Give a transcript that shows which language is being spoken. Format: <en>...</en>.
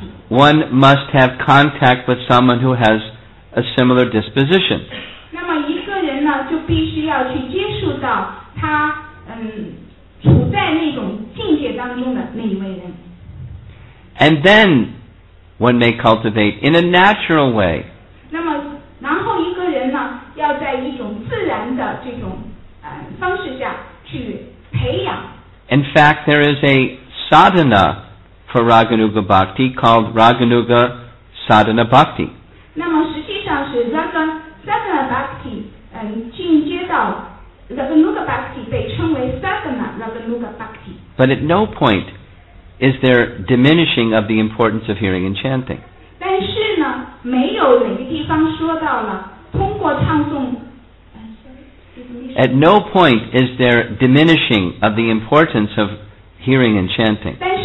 <en>One must have contact with someone who has a similar disposition.</en> <zh>那么一个人呢，就必须要去接触到他处在那种境界当中的那一位人。</zh> <en>And then one may cultivate in a natural way.</en> <zh>那么然后一个人呢，要在一种自然的这种方式下去培养。</zh> <en>In fact, there is a sadhana. For Raganuga Bhakti called Raganuga Sadhana Bhakti.</en> <zh>那么实际上是 Sadhana Bhakti 进阶到 Raganuga Bhakti 被称为 Sadhana Raganuga Bhakti.</zh> <en>But at no point is there diminishing of the importance of hearing and chanting.</en> <zh>但是呢没有哪个地方说到了通过唱诵</zh> <en>At no point is there diminishing of the importance of hearing and chanting.</en>